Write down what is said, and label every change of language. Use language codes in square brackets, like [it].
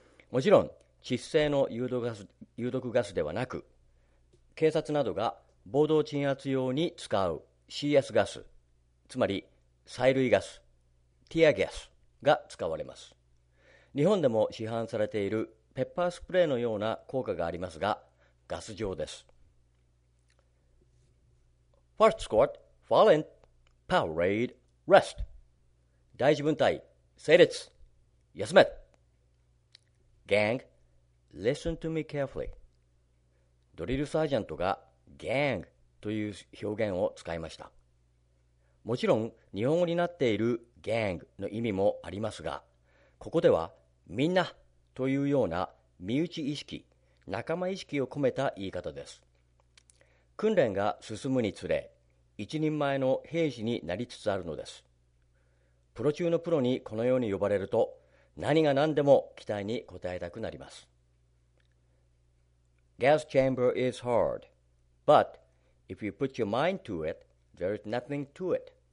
[ja] もちろん、窒息の有毒ガスではなく、警察などが暴動鎮圧用に使う CS ガス、つまり、催涙ガス、ティアガスが使われます。日本でも市販されているペッパースプレーのような効果がありますが、ガス状です。 [en] First squad, fall in, parade, rest. [ja] 第一分隊、整列、休め。 [en] Gang, listen to me carefully. [ja] ドリルサージェントが Gang という表現を使いました。もちろん日本語になっているギャングの意味もありますが、ここではみんなというような身内意識、仲間意識を込めた言い方です。訓練が進むにつれ、一人前の兵士になりつつあるのです。プロ中のプロにこのように呼ばれると、何が何でも期待に応えたくなります。 [en] Gas chamber is hard, but if you put your mind to itThere is nothing to it.